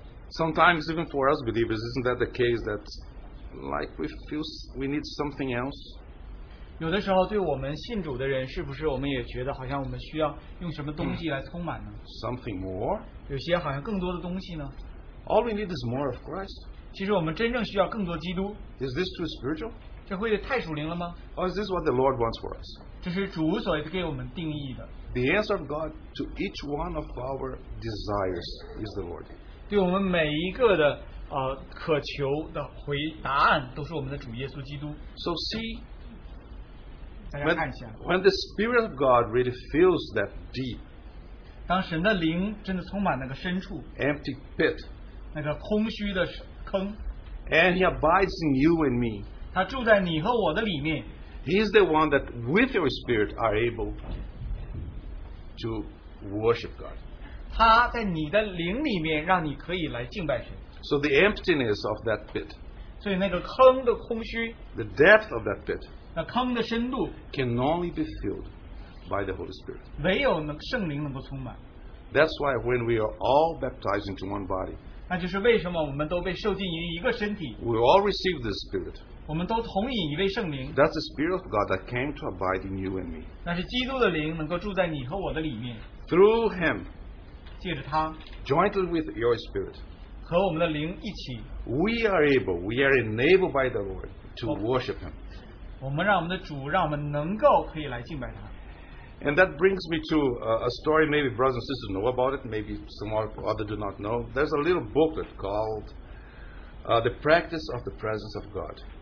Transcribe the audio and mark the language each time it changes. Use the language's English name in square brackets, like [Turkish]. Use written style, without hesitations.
[English] Sometimes even for us believers, isn't that the case that like we feel we need something else? [Chinese] 有的时候对我们信主的人是不是我们也觉得好像我们需要用什么东西来充满呢? [English] Something more? [Chinese] 有些好像更多的东西呢? [English] All we need is more of Christ. [Chinese] 其实我们真正需要更多基督? [English] Is this too spiritual? [Chinese] 这会太属灵了吗? [English] Or is this what the Lord wants for us? [Chinese] 这是主所给我们定义的。 [English] The answer of God to each one of our desires is the Lord. [Chinese] 对我们每一个的 渴求的回答案都是我们的主耶稣基督。 [English] So see, When the Spirit of God really fills that deep, [Chinese] 当神的灵真的充满那个深处, [English] empty pit, [Chinese] 那个空虚的坑, [English] and He abides in you and me, [Chinese] 他住在你和我的里面, [English] He is the one that with your Spirit are able to worship God. [Chinese] 他在你的灵里面让你可以来敬拜神。 [English] So the emptiness of that pit, [Chinese] 所以那个坑的空虚, [English] the depth of that pit, [Chinese] 那坑的深度, [English] can only be filled by the Holy Spirit. [Chinese] 唯有圣灵能够充满。 [English] That's why when we are all baptized into one body, we all receive the Spirit. That's the Spirit of God that came to abide in you and me. [Chinese] 那是基督的灵能够住在你和我的里面。 [English] Through Him, [Chinese] 借着他, [English] jointly with your Spirit, [Chinese] 和我们的灵一起, [English] we are enabled by the Lord to worship Him. [Chinese] 我们让我们的主让我们能够可以来敬拜他。 [English] And that brings me to a story, maybe brothers and sisters know about it, maybe some other do not know. There's a little booklet called The Practice of the Presence of God.